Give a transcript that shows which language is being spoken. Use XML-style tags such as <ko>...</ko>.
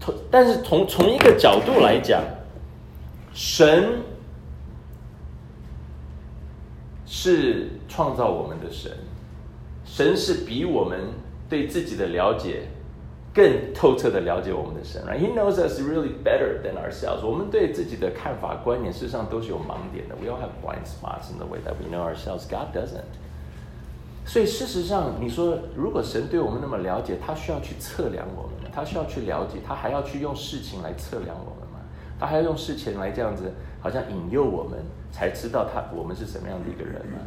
<zh>但是从一个角度来讲，神是创造我们的神，神是比我们对自己的了解更透彻的了解我们的神。</zh> <en>Right? He knows us really better than ourselves.</en> <zh>我们对自己的看法观念事实上都是有盲点的。</zh> <en>We all have blind spots in the way that we know ourselves. God doesn't.</en> <zh>所以事实上你说如果神对我们那么了解，他需要去测量我们，他需要去了解，他还要去用事情来测量我们，他还要用事情来这样子好像引诱我们才知道我们是什么样的一个人吗？</zh>